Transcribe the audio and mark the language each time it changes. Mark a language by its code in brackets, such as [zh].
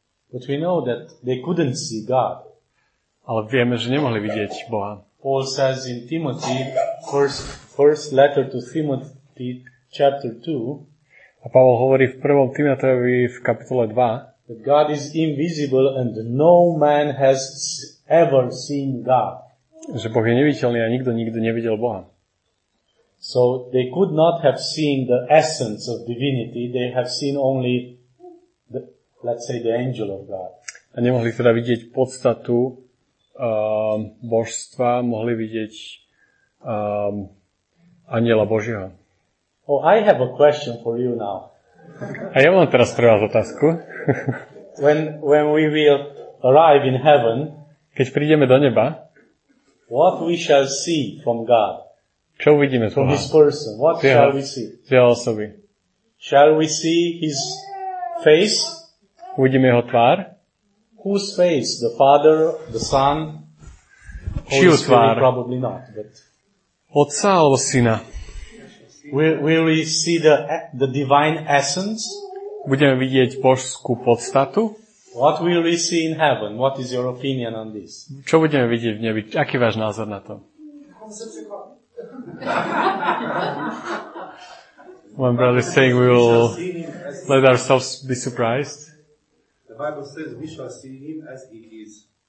[en] But we know that they couldn't see God. [sk] Ale vieme, že nemohli vidieť Boha. [en] Paul says in Timothy, first letter to Timothy, chapter 2. [sk] A Pavol hovorí v 1. Timoteovi v kapitole 2. [en] That God is invisible and no man has ever seen God. [sk] Že Boh je neviditeľný a nikto nikdy nevidel Boha. [en] So they could not have seen the essence of divinity. They have seen only let's say the angel of God. [sk] A nemohli teda vidieť podstatu božstva, mohli vidieť anjela Božieho. [en] Oh, I have a question for you now. [sk] A ja mám teraz pre vás otázku. [en] When we will arrive in heaven, [sk] keď prídeme do neba, [en] what we shall see from God? [sk] Čo uvidíme z Boha? [en] From his person, what shall we see? [sk] Z jeho osoby. [en] Shall we see his face? [sk] Uvidíme jeho tvár. [en] Whose face? The Father, the Son? [sk] Čiu tvár? [en] Probably not, but [sk] Otca alebo Syna? [en] Will we see the divine essence? [sk] Budeme vidieť božskú podstatu? [en] What will we see in heaven? What is your opinion on this? [sk] Čo budeme vidieť v nebi? Aký je váš názor na to? [en] My brother is saying we will let ourselves be surprised. Bible says we shall see him as he is.